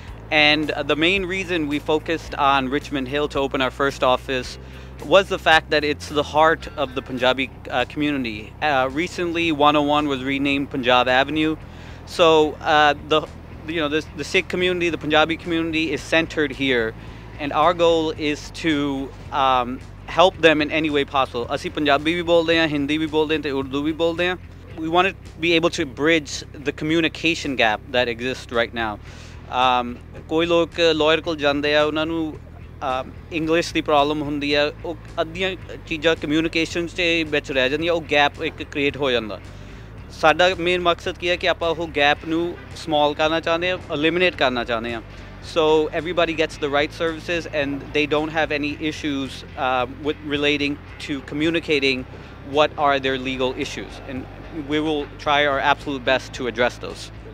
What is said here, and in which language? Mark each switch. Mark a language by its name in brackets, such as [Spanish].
[English] And the main reason we focused on Richmond Hill to open our first office was the fact that it's the heart of the Punjabi community. Recently, 101 was renamed Punjab Avenue. So the Sikh community, the Punjabi community is centered here, and our goal is to help them in any way possible. [Punjabi] ਅਸੀ ਪੰਜਾਬੀ ਭੀ ਬੋਲਦੇ ਹੈਂ, ਹਿੰਦੀ ਭੀ ਬੋਲਦੇ ਹੈਂ, ਉਰਦੂ ਭੀ ਬੋਲਦੇ ਹੈਂ. [English] We want to be able to bridge the communication gap that exists right now. [Punjabi] ਕੋਈ ਲੋਗ ਲਾਇਰ ਕੋਲ ਜਾਂਦੇ ਹੈਂ, ਉਨ੍ਹਾਂ ਨੂੰ ਇੰਗਲਿਸ਼ ਦੀ ਪ੍ਰੌਬਲਮ ਹੁੰਦੀ ਹੈ, ਅੱਡੀਆਂ ਚੀਜ਼ਾ ਕਮਿਊਨੀਕੇਸ਼ਨ ਤੇ ਵਿਚ ਰਹਿ ਜਾਂਦੀ ਹੈ, ਓਹ ਗੈਪ ਏਕ ਕ੍ਰੀਏਟ ਹੋ ਜਾਂਦਾ. ਸਾਡਾ ਮੇਨ ਮਕਸਦ ਕੀ ਹੈ ਕਿ ਆਪਾਂ ਉਹ ਗੈਪ ਨੂੰ ਸਮਾਲ ਕਰਨਾ ਚਾਹੁੰਦੇ ਹਾਂ, [English] Eliminate ਕਰਨਾ ਚਾਹੁੰਦੇ ਹਾਂ, so everybody gets the right services and they don't have any issues with relating to communicating what are their legal issues and we will try our absolute best to address those.